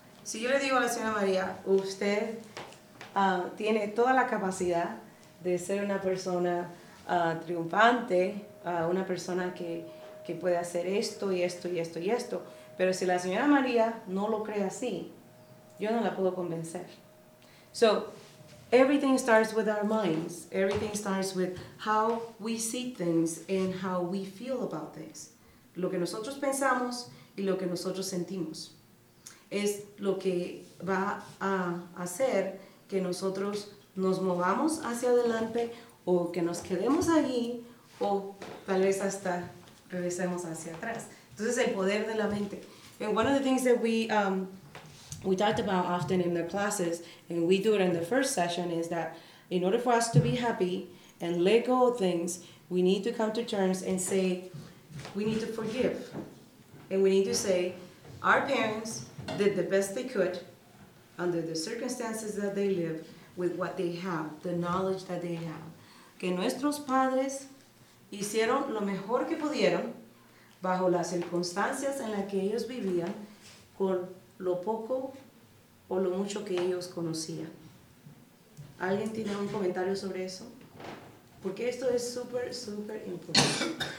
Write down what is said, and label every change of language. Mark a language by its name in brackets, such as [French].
[Spanish] Si yo le digo a la señora María, usted tiene toda la capacidad de ser una persona triunfante, una persona que puede hacer esto y esto y esto y esto, pero si la señora María no lo cree así, yo no la puedo convencer. [English] So, everything starts with our minds. Everything starts with how we see things and how we feel about things. [Spanish] Lo que nosotros pensamos y lo que nosotros sentimos es lo que va a hacer que nosotros nos movamos hacia adelante o que nos quedemos allí o tal vez hasta regresemos hacia atrás. Entonces, el poder de la mente. [English] And one of the things that we talked about often in the classes, and we do it in the first session, is that in order for us to be happy and let go of things, we need to come to terms and say, we need to forgive. And we need to say, our parents did the best they could under the circumstances that they live with what they have, the knowledge that they have. [Spanish] Que nuestros padres hicieron lo mejor que pudieron bajo las circunstancias en las que ellos vivían con lo poco o lo mucho que ellos conocían. ¿Alguien tiene un comentario sobre eso? Porque esto es súper, súper importante.